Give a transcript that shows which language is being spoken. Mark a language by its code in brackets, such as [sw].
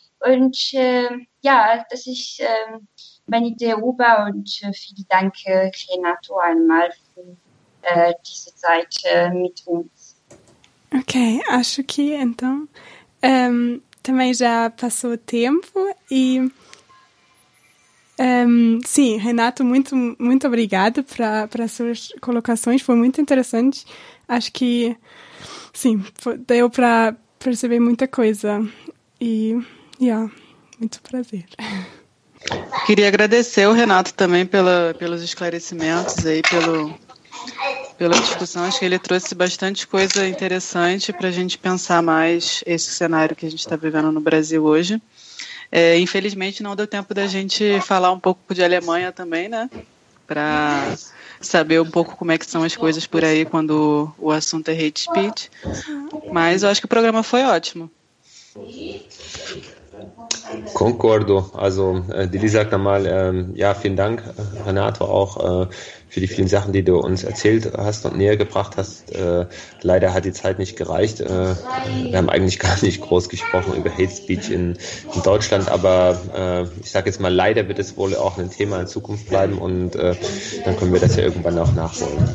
[de] Und ja, das ist meine Idee, Uba, und vielen Dank, Renato, einmal für diese Zeit mit uns. [pt] Okay, acho que então também já passou tempo e sim, Renato, muito, muito obrigada para as suas colocações, foi muito interessante. Acho que sim, deu para perceber muita coisa e yeah, muito prazer. Queria agradecer o Renato também pelos esclarecimentos aí, pela discussão. Acho que ele trouxe bastante coisa interessante para a gente pensar mais esse cenário que a gente está vivendo no Brasil hoje. Infelizmente, não deu tempo da gente falar um pouco de Alemanha também, né? Para saber um pouco como é que são as coisas por aí quando o assunto é hate speech. Mas eu acho que o programa foi ótimo. Concordo. [de] Also, die Lisa Kamal, ja, vielen Dank, Renato, auch für die vielen Sachen, die du uns erzählt hast und näher gebracht hast. Leider hat die Zeit nicht gereicht. Wir haben eigentlich gar nicht groß gesprochen über Hate Speech in Deutschland, aber ich sage jetzt mal, leider wird es wohl auch ein Thema in Zukunft bleiben und dann können wir das ja irgendwann auch nachholen.